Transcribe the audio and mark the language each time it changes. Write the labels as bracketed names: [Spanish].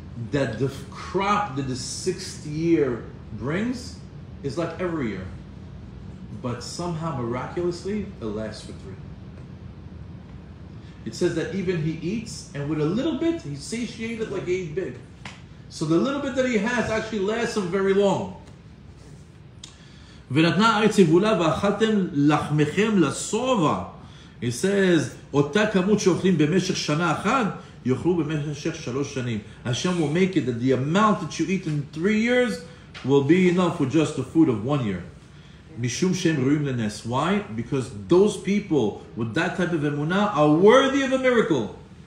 [English] That the crop that the sixth year brings is like every year, but somehow miraculously it lasts for three. It says that even he eats, and with a little bit he satiated like he ate big. So the little bit that he has actually lasts him very long. [Hebrew] ונתנה ארץ יבולה ואכלתם לחמכם לשובע. [English] It says, [Hebrew] אותה כמות שאוכלים במשך שנה אחת, יאכלו במשך שלוש שנים. [English] Hashem will make it that the amount that you eat in 3 years will be enough for just the food of 1 year. [Hebrew] Mishum shem ruim lenes. [English] Why? Because those people with that type of emunah are worthy of a miracle.